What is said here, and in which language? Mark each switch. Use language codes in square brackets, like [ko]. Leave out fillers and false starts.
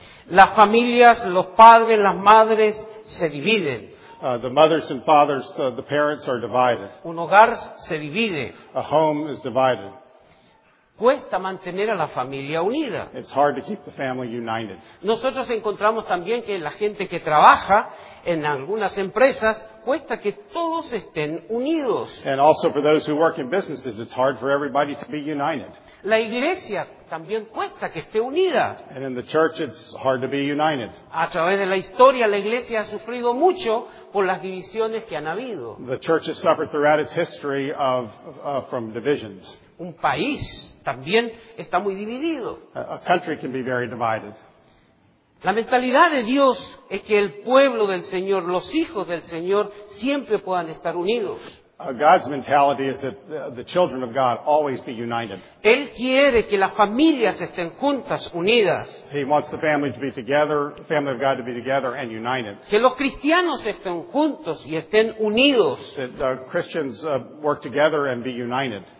[es] Las familias, los padres, las madres se dividen. [en] The mothers and fathers, the parents are divided. [es] Un hogar se divide. [en] A home is divided. [es] Cuesta mantener a la familia unida. [en] It's hard to keep the family united. [es] Nosotros encontramos también que la gente que trabaja en algunas empresas cuesta que todos estén unidos. [en] And also for those who work in businesses, it's hard for everybody to be united. [es] La iglesia también cuesta que esté unida. [en] And in the church, it's hard to be united. [es] A través de la historia, la iglesia ha sufrido mucho por las divisiones que han habido. [en] The church has suffered throughout its history from divisions. [es] Un país también está muy dividido. [en] A country can be very divided. [es] La mentalidad de Dios es que el pueblo del Señor, los hijos del Señor, siempre puedan estar unidos. [en] God's mentality is that the children of God always be united. [es] Él quiere que las familias estén juntas, unidas. [en] He wants the family to be together, the family of God to be together and united. [es] Que los cristianos estén juntos y estén unidos. [en] That the Christians work together and be united.